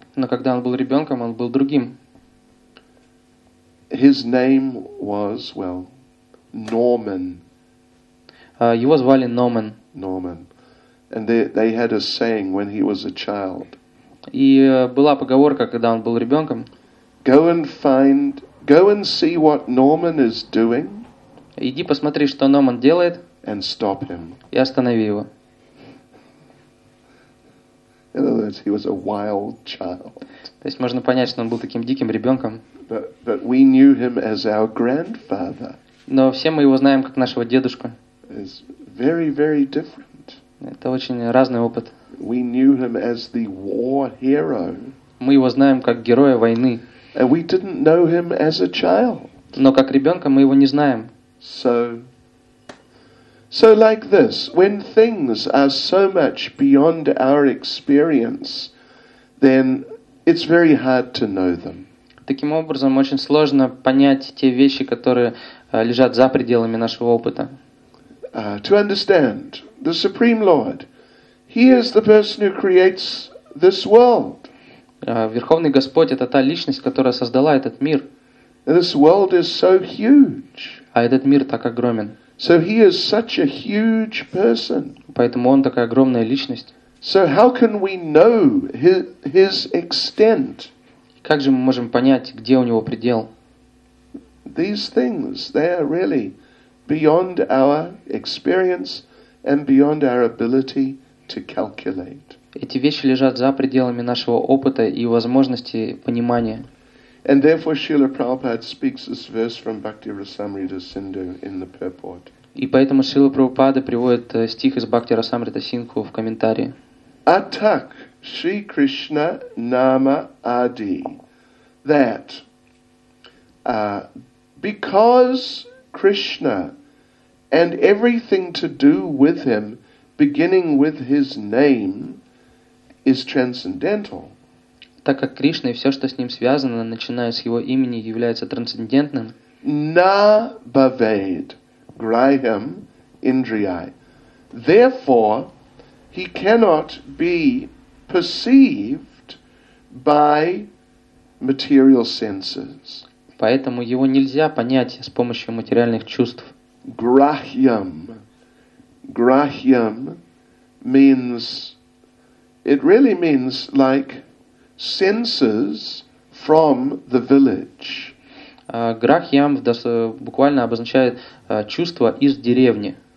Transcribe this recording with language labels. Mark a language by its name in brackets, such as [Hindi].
[Russian] Но когда он был ребенком, он был другим. [English] His name was, well, Norman. [Russian] Его звали Норман. [English] Norman. And they had a saying when he was a child. [Russian] И была поговорка, когда он был ребенком. [English] Go and see what Norman is doing. [Russian] Иди посмотри, что Норман делает. [English] And stop him. [Russian] И останови его. [English] In other words, he was a wild child. [Russian] То есть можно понять, что он был таким диким ребенком. [English] But we knew him as our grandfather. [Russian] Но все мы его знаем как нашего дедушку. [English] It's very, very different. [Russian] Это очень разный опыт. [English] We knew him as the war hero. [Russian] Мы его знаем как героя войны. [English] And we didn't know him as a child. [Russian] Но как ребенка мы его не знаем. [English] So like this, when things are so much beyond our experience, then it's very hard to know them. [Russian] Таким образом, очень сложно понять те вещи, которые лежат за пределами нашего опыта. [English] To understand the Supreme Lord, He is the person who creates this world. [Russian] Верховный Господь — это та личность, которая создала этот мир. [English] This world is so huge. [Russian] А этот мир так огромен. [English] So He is such a huge person. [Russian] Поэтому он такая огромная личность. [English] So how can we know His extent? [Russian] Как же мы можем понять, где у него предел? [English] These things, they are really beyond our experience and beyond our ability to calculate. [Russian] Эти вещи лежат за пределами нашего опыта и возможности понимания. [English] And therefore Srila Prabhupada speaks this verse from Bhakti-rasamrita Sindhu in the purport. [Russian] И поэтому Шрила Прабхупада приводит стих из Бхакти-расамрита Сингху в комментарии. [Sanskrit] Атак Шри Кришна Нама Ади, [English] that because Krishna and everything to do with him, beginning with his name, is transcendental. [Russian] Так как Кришна и все, что с ним связано, начиная с его имени, является трансцендентным. [Sanskrit] Na bhaved grihyam indriyai. [English] Therefore, he cannot be perceived by material senses. [Russian] Поэтому его нельзя понять с помощью материальных чувств. [Sanskrit] Grahyam. [English] Grahyam means, it really means like senses from the village. [Russian] Grahyam буквально обозначает чувства из деревни.